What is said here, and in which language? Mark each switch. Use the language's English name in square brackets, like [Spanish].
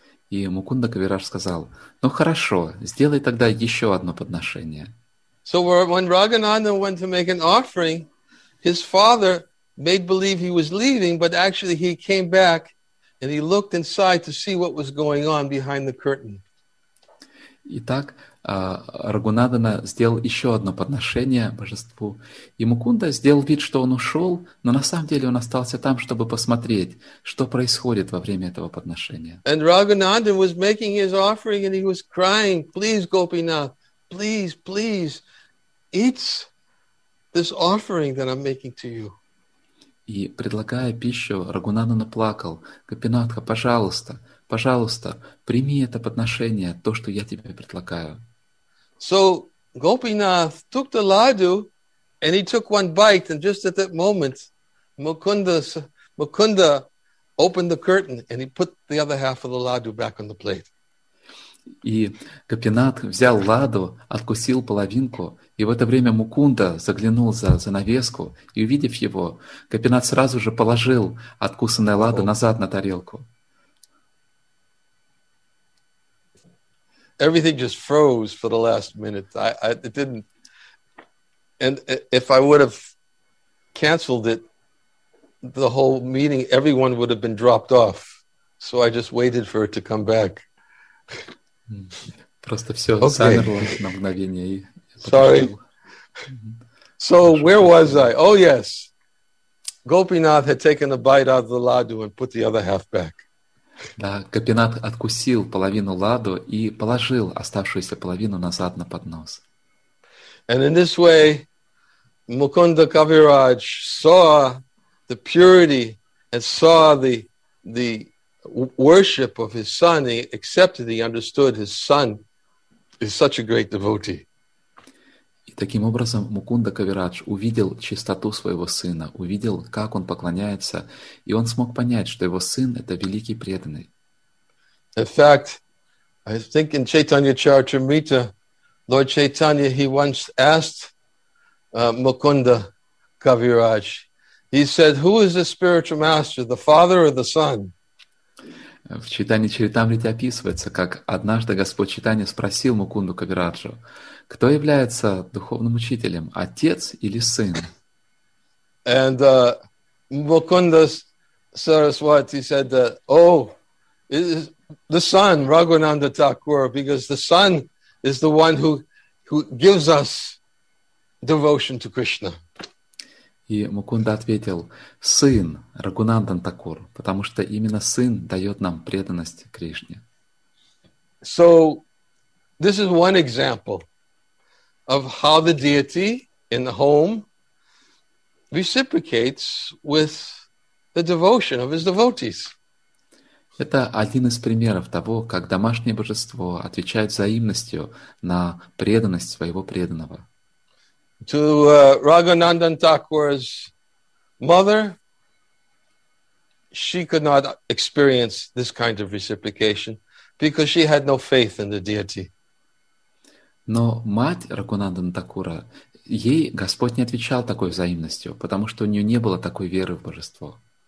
[Russian] И Мукунда Кавираш сказал, ну хорошо, сделай тогда еще одно подношение. [English] So when Рагунанда went to make an offering, his father made believe he was leaving, but actually he came back and he looked inside to see what was going on behind the curtain. [Russian] Итак, Рагунандана сделал еще одно подношение божеству, и Мукунда сделал вид, что он ушел, но на самом деле он остался там, чтобы посмотреть, что происходит во время этого подношения. [English] And Рагунанда was making his offering and he was crying, please, Gopinath, please, please, eat this offering that I'm making to you. [Russian] И предлагая пищу, Рагунандана плакал, Гопинатха, пожалуйста, пожалуйста, прими это подношение, то, что я тебе предлагаю. [English] So Gopinath took the ladu and he took one bite and just at that moment Mukunda opened the curtain and he put the other half of the ladu back on the plate. [Russian] И Гопинат взял ладу, откусил половинку, и в это время Мукунда заглянул за занавеску и увидев его, Гопинат сразу же положил откусанное ладу назад на тарелку. [English] Everything just froze for the last minute. It didn't. And if I would have canceled it, the whole meeting, everyone would have been dropped off. So I just waited for it to come back. [Russian] Просто все замерло на мгновение. [English] Sorry. So where was I? Oh, yes. Gopinath had taken a bite out of the ladu and put the other half back. [Russian] Да, Гопинат откусил половину ладу и положил оставшуюся половину назад на поднос. [English] And in this way, Mukunda Kaviraj saw the purity and saw the worship of his son. He accepted, he understood his son is such a great devotee. [Russian] И таким образом Мукунда Кавирадж увидел чистоту своего сына, увидел, как он поклоняется, и он смог понять, что его сын — это великий преданный. [English] In fact, I think in Chaitanya Charitamrita, Lord Chaitanya, he once asked Mukunda Kaviraj, he said, who is the spiritual master, the father or the son? [Russian] В Чайтанье Чаритамрите описывается, как однажды Господь Чайтанья спросил Мукунду Кавираджу, кто является духовным учителем, отец или сын? [English] And Mukunda Saraswati said, the son, Raghunanda Thakur, because the son is the one who gives us devotion to Krishna. [Russian] И Мукунда ответил, сын Рагунандан Такур, потому что именно сын дает нам преданность Кришне. [English] So, this is one example of how the deity in the home reciprocates with the devotion of his devotees. [Russian] Это один из примеров того, как домашнее божество отвечает взаимностью на преданность своего преданного. [English] To Raghunandan Thakur's mother, she could not experience this kind of reciprocation because she had no faith in the deity. [Russian] Но мать Рагунандана Такура, ей Господь не отвечал такой взаимностью, потому что у нее не было такой веры в божество.